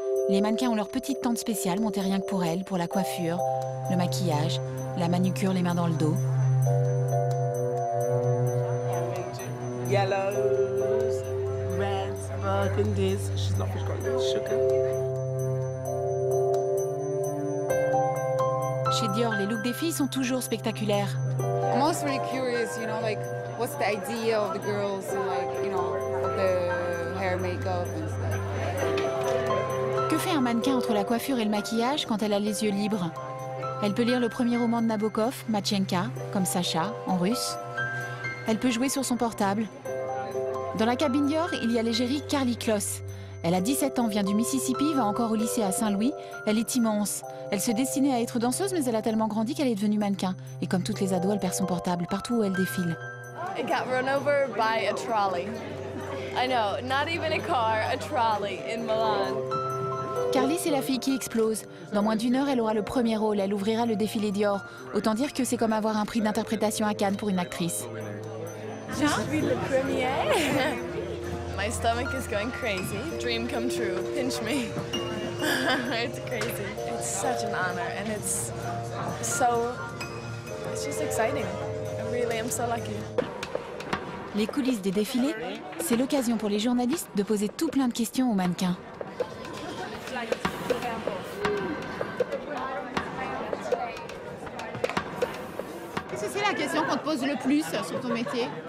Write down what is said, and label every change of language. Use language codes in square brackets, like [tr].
[fr] Les mannequins ont leur petite tente spéciale montée rien que pour elles, pour la coiffure, le maquillage, la manucure, les mains dans le dos. Chez Dior, les looks des filles sont toujours spectaculaires. [en] I'm also really curious, you know, like, what's the idea of the girls and, like, you know, the hair, makeup and stuff. [fr] Que fait un mannequin entre la coiffure et le maquillage quand elle a les yeux libres? Elle peut lire le premier roman de Nabokov, Matchenka, comme Sacha, en russe. Elle peut jouer sur son portable. Dans la cabine Dior, il y a l'égérie Carly Kloss. Elle a 17 ans, vient du Mississippi, va encore au lycée à Saint-Louis. Elle est immense. Elle se destinait à être danseuse, mais elle a tellement grandi qu'elle est devenue mannequin. Et comme toutes les ados, elle perd son portable partout où elle défile. [en] I got run over by a trolley. I know, not even a car, a trolley in Milan. [fr] Carly, c'est la fille qui explose. Dans moins d'une heure, elle aura le premier rôle. Elle ouvrira le défilé Dior. Autant dire que c'est comme avoir un prix d'interprétation à Cannes pour une actrice. J'ai envie le premier. [en] My stomach is going crazy. Dream come true. Pinch me. It's crazy. It's such an honor and it's just exciting. I really am so lucky. [fr] Les coulisses des défilés, c'est l'occasion pour les journalistes de poser tout plein de questions aux mannequins. Qu'est-ce que c'est la question qu'on te pose le plus sur ton métier?